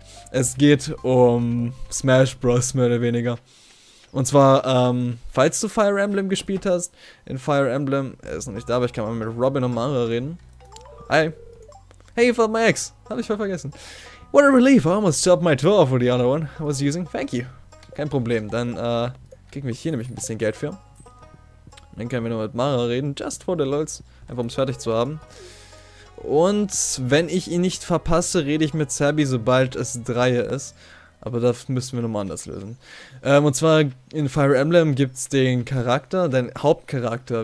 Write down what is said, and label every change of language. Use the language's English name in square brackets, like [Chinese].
[German] Es geht um Smash Bros. Mehr oder weniger. Und zwar, falls du Fire Emblem gespielt hast, in Fire Emblem, er ist noch nicht da, aber ich kann mal mit Robin und Mara reden. [English] Hi. Hey, you found my ex. [German] Hab ich voll vergessen. [English] What a relief, I almost chopped my toe off with the other one I was using. Thank you. [German] Kein Problem, dann, kriegen wir hier nämlich ein bisschen Geld für. Dann können wir nur mit Mara reden, [English] just for the lulz. [German] Einfach um es fertig zu haben. Und wenn ich ihn nicht verpasse, rede ich mit Sabi, sobald es 3 ist. Aber das müssen wir nochmal anders lösen. Und zwar in Fire Emblem gibt es den Charakter, deinen Hauptcharakter.